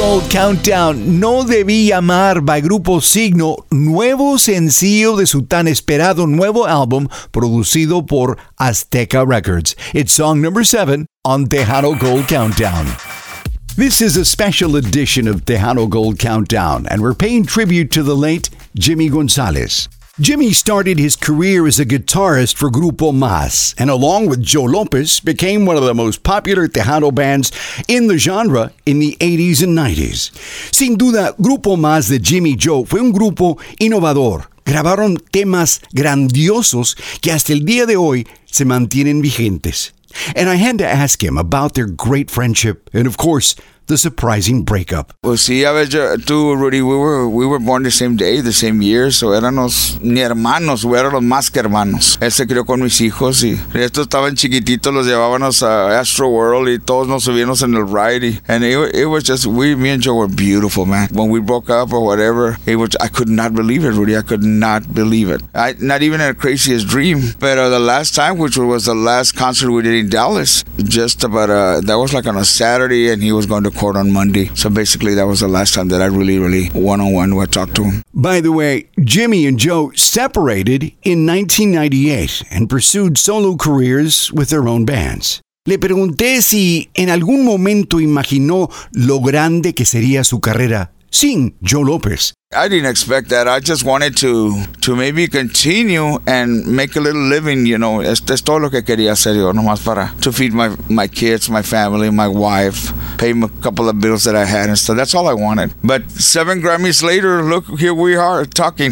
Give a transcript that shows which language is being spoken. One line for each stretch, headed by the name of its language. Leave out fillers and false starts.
Spanish: Countdown, No Debí Llamar by Grupo Signo, nuevo sencillo de su tan esperado nuevo álbum producido por Azteca Records.
English: It's song number 7 on Tejano Gold Countdown. This is a special edition of Tejano Gold Countdown, and we're paying tribute to the late Jimmy Gonzalez. Jimmy started his career as a guitarist for Grupo Mas, and along with Joe Lopez, became one of the most popular Tejano bands in the genre in the 80s and 90s.
Spanish: Sin duda, Grupo Mas de Jimmy Joe fue un grupo innovador. Grabaron temas grandiosos que hasta el día de hoy se mantienen vigentes.
English: And I had to ask him about their great friendship and, of course, the surprising breakup. Well, see,
Spanish: a ver, tú,
English: Rudy, we were born the same day, the same year, so
Spanish: éramos ni hermanos,
English: we
Spanish: eran los más que hermanos. Él se crió con mis hijos y estos estaban chiquititos, los llevábamos a Astro World y todos nos subimos en el ride.
English: And it was just, me and Joe were beautiful, man. When we broke up or whatever, I could not believe it, Rudy. I could not believe it. Not even in a craziest dream. But the last time, which was the last concert we did in Dallas, just about, that was like on a Saturday, and he was going to court on Monday. So basically, that was the last time that I really, really one-on-one would talk to him. By the way, Jimmy and Joe separated in 1998 and pursued solo careers with their own bands.
Spanish: Le pregunté si en algún momento imaginó lo grande que sería su carrera sin Joe Lopez.
English: I didn't expect that. I just wanted to maybe continue and make a little living, you know.
Spanish: Es todo lo que quería hacer yo, nomás para
English: to feed my kids, my family, my wife, pay a couple of bills that I had and stuff. That's all I wanted. But 7 Grammys later, look, here we are talking.